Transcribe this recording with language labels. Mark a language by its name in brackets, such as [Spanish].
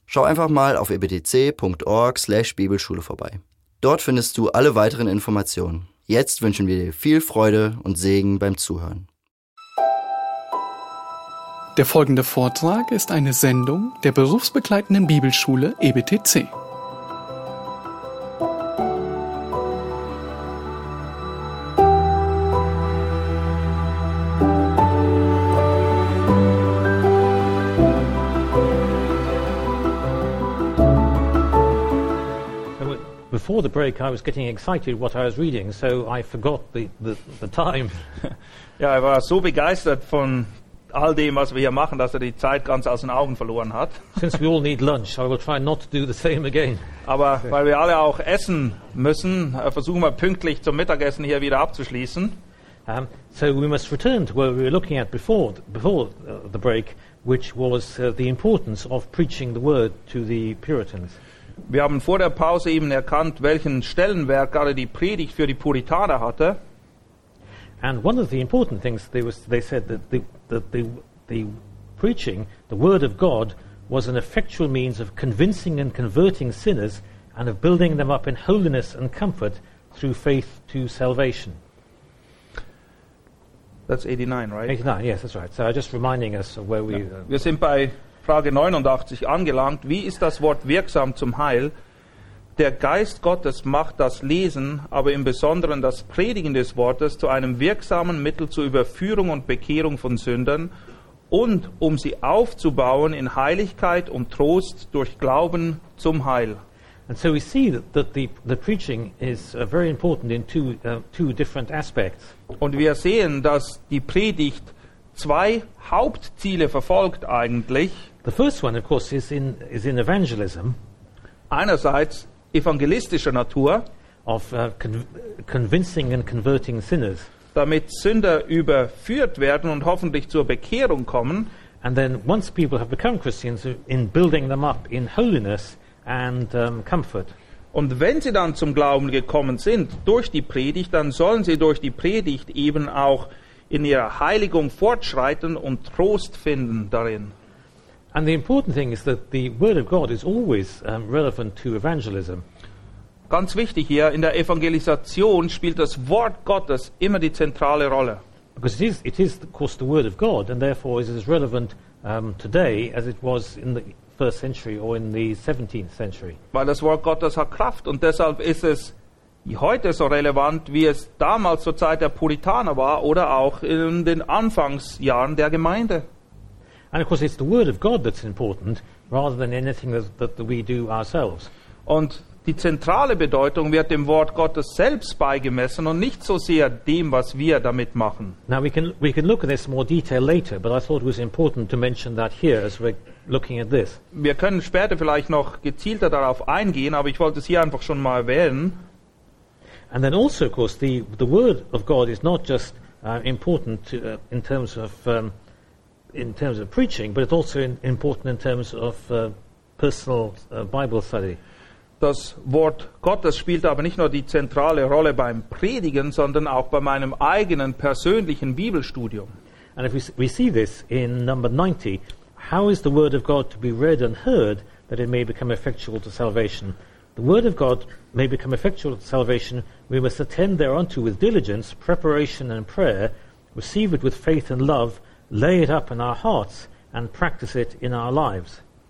[German] Schau einfach mal auf ebtc.org/Bibelschule vorbei. Dort findest du alle weiteren Informationen. Jetzt wünschen wir dir viel Freude und Segen beim Zuhören. Der folgende Vortrag ist eine Sendung der berufsbegleitenden Bibelschule EBTC. [English] Before the break, I was getting excited what I was reading, so I forgot the time. [German] Ja, er war so begeistert von all dem, was wir hier machen, dass er die Zeit ganz aus den Augen verloren hat. [English] Since we all need lunch, I will try not to do the same again. [German] Aber weil wir alle auch essen müssen, versuchen wir pünktlich zum Mittagessen hier wieder abzuschließen. [English] So we must return to what we were looking at before the break, which was the importance of preaching the word to the Puritans. [German] Wir haben vor der Pause eben erkannt, welchen Stellenwert gerade die Predigt für die Puritaner hatte. [English] And one of the important things they said that the preaching, the word of God, was an effectual means of convincing and converting sinners and of building them up in holiness and comfort through faith to salvation. That's 89, right? 89, yes, that's right. So I'm just reminding us of where we. [German] Wir sind bei Frage 89 angelangt. Wie ist das Wort wirksam zum Heil? Der Geist Gottes macht das Lesen, aber im Besonderen das Predigen des Wortes zu einem wirksamen Mittel zur Überführung und Bekehrung von Sündern und um sie aufzubauen in Heiligkeit und Trost durch Glauben zum Heil. [English] And so we see that the preaching is very important in two different aspects. [German] Und wir sehen, dass die Predigt zwei Hauptziele verfolgt eigentlich. [English] The first one, of course, is in evangelism. [German] Einerseits evangelistischer Natur. [English] Of convincing and converting sinners. [German] Damit Sünder überführt werden und hoffentlich zur Bekehrung kommen. [English] And then once people have become Christians, in building them up in holiness and comfort. [German] Und wenn sie dann zum Glauben gekommen sind durch die Predigt, dann sollen sie durch die Predigt eben auch in ihrer Heiligung fortschreiten und Trost finden darin. [English] And the important thing is that the word of God is always relevant to evangelism. [German] Ganz wichtig hier, in der Evangelisation spielt das Wort Gottes immer die zentrale Rolle. [English] Because it is of course the word of God, and therefore is as relevant today as it was in the first century or in the 17th century. [German] Weil das Wort Gottes hat Kraft und deshalb ist es heute so relevant, wie es damals zur Zeit der Puritaner war oder auch in den Anfangsjahren der Gemeinde. [English] And of course it's the word of God that's important rather than anything that we do ourselves. [German] Und die zentrale Bedeutung wird dem Wort Gottes selbst beigemessen und nicht so sehr dem, was wir damit machen. [English] Now we can look at this more detail later, but I thought it was important to mention that here as we're looking at this. [German] Wir können später vielleicht noch gezielter darauf eingehen, aber ich wollte es hier einfach schon mal erwähnen. [English] And then also, of course, the word of God is not just important to, in terms of preaching, but it's also important in terms of personal Bible study. [German] Das Wort Gottes spielt aber nicht nur die zentrale Rolle beim Predigen, sondern auch bei meinem eigenen persönlichen Bibelstudium. [English] And if we see this in number 90, how is the word of God to be read and heard that it may become effectual to salvation? the word of God may become effectual to salvation, we must attend thereunto with diligence, preparation and prayer, receive it with faith and love, lay it up in our hearts and practice it in our lives.